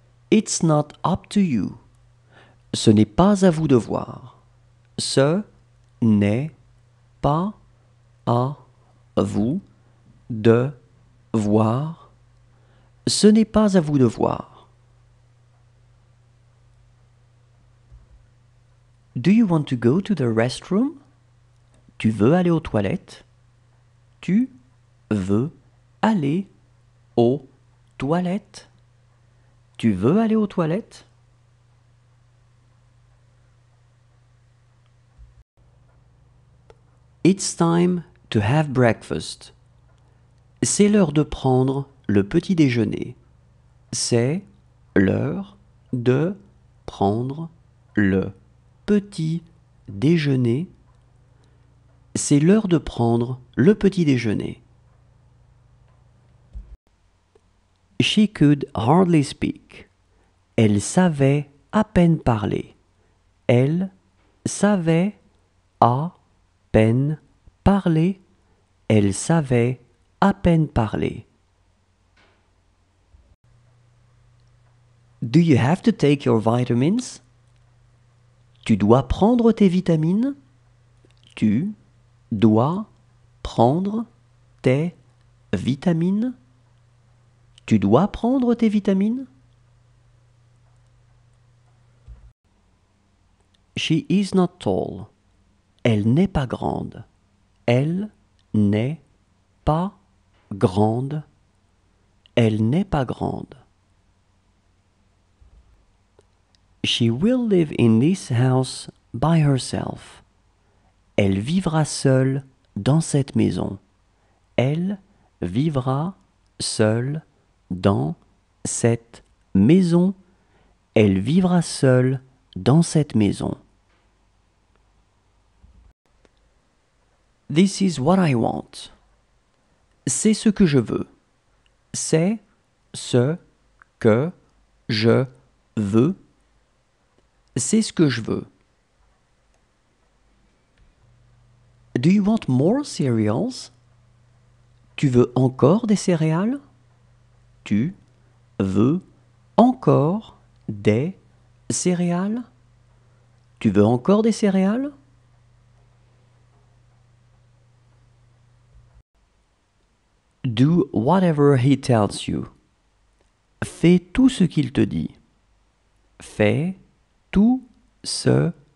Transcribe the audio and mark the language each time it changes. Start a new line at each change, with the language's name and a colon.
English: It's not up to you.
French: Ce n'est pas à vous de voir. Ce n'est pas à vous de voir. Ce n'est pas à vous de voir.
English: Do you want to go to the restroom?
French: Tu veux aller aux toilettes? Tu veux aller aux toilettes? Tu veux aller aux toilettes?
English: It's time to have breakfast.
French: C'est l'heure de prendre le petit déjeuner. C'est l'heure de prendre le petit déjeuner. C'est l'heure de prendre le petit déjeuner.
English: She could hardly speak.
French: Elle savait à peine parler. Elle savait à peine parler. Elle savait à peine parler.
English: Do you have to take your vitamins?
French: Tu dois prendre tes vitamines? Tu dois prendre tes vitamines? Tu dois prendre tes vitamines?
English: She is not tall.
French: Elle n'est pas grande. Elle n'est pas grande. Elle n'est pas grande.
English: She will live in this house by herself.
French: Elle vivra seule dans cette maison. Elle vivra seule dans cette maison. Elle vivra seule dans cette maison.
English: This is what I want.
French: C'est ce que je veux. C'est ce que je veux. C'est ce que je veux.
English: Do you want more cereals?
French: Tu veux encore des céréales? Tu veux encore des céréales? Tu veux encore des céréales?
English: Do whatever he tells you.
French: Fais tout ce qu'il te dit. Fais tout ce